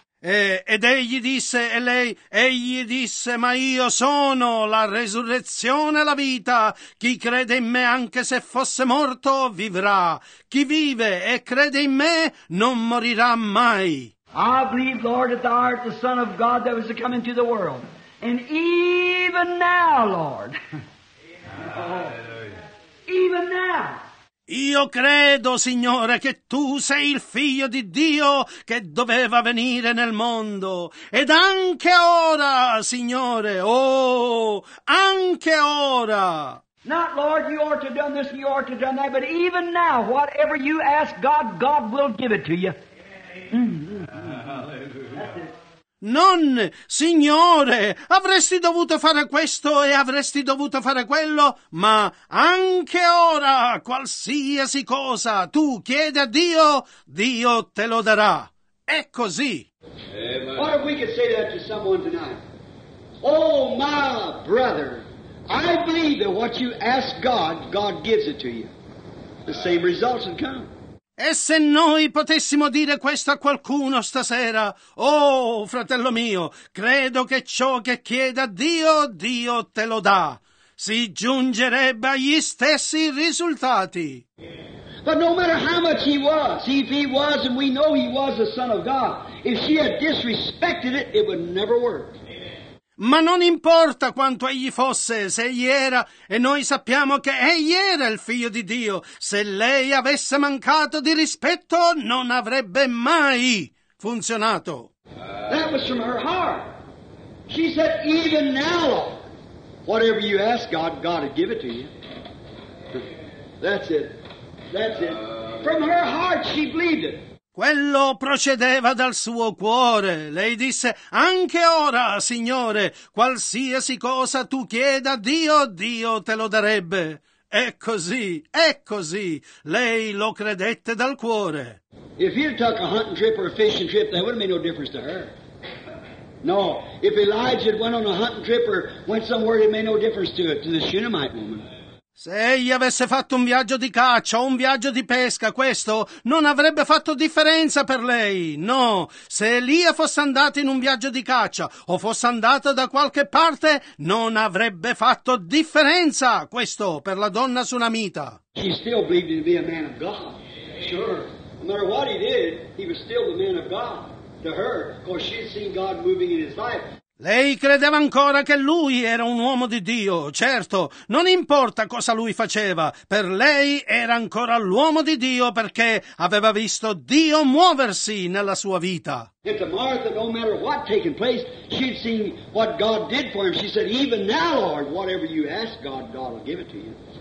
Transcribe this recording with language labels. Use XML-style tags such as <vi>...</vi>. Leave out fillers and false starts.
<it>Ed egli disse, e lei, egli disse, ma io sono la resurrezione e la vita. Chi crede in me, anche se fosse morto, vivrà. Chi vive e crede in me non morirà mai.</it> <en>I believe, Lord, that thou art the Son of God that was to come into the world. And even now, Lord. Even now.</en> <it>Io credo, Signore, che Tu sei il Figlio di Dio che doveva venire nel mondo. Ed anche ora, Signore, oh, anche ora.</it> <en>Not, Lord, you ought to have done this, you ought to have done that, but even now, whatever you ask God, God will give it to you.</en> <it>Non, Signore, avresti dovuto fare questo e avresti dovuto fare quello, ma anche ora, qualsiasi cosa tu chiedi a Dio, Dio te lo darà. È così.</it> <en>What if we could say that to someone tonight? Oh, my brother, I believe that what you ask God, God gives it to you. The same results will come.</en> <it>E se noi potessimo dire questo a qualcuno stasera, oh, fratello mio, credo che ciò che chieda Dio, Dio te lo dà. Si giungerebbe agli stessi risultati.</it> <en>But no matter how much he was, see, if he was, and we know he was the Son of God, if she had disrespected it, it would never work.</en> <it>Ma non importa quanto egli fosse, se egli era, e noi sappiamo che egli era il Figlio di Dio, se lei avesse mancato di rispetto, non avrebbe mai funzionato.</it> <en>That was from her heart. She said, even now, whatever you ask God, God will give it to you. That's it. That's it. From her heart she believed it.</en> <it>Quello procedeva dal suo cuore. Lei disse, anche ora, Signore, qualsiasi cosa tu chieda a Dio, Dio te lo darebbe. È così, è così. Lei lo credette dal cuore.</it> <en>If he took a hunting trip or a fishing trip, that wouldn't make no difference to her. No, if Elijah went on a hunting trip or went somewhere, it made no difference to it, to the Shunammite woman.</en> <it>Se egli avesse fatto un viaggio di caccia o un viaggio di pesca, questo non avrebbe fatto differenza per lei. No, se Elia fosse andato in un viaggio di caccia o fosse andato da qualche parte, non avrebbe fatto differenza questo per la donna sunamita.</it> <en>She still believed him to be a man of God. Sure. No matter what he did, he was still the man of God to her, because she had seen God moving in his life.</en> <it>Lei credeva ancora che lui era un uomo di Dio. Certo, non importa cosa lui faceva, per lei era ancora l'uomo di Dio perché aveva visto Dio muoversi nella sua vita.</it> <en>And to Martha, no matter what taking place, she'd seen what God did for him. She said, even now, Lord, whatever you ask God, God will give it to you.</en>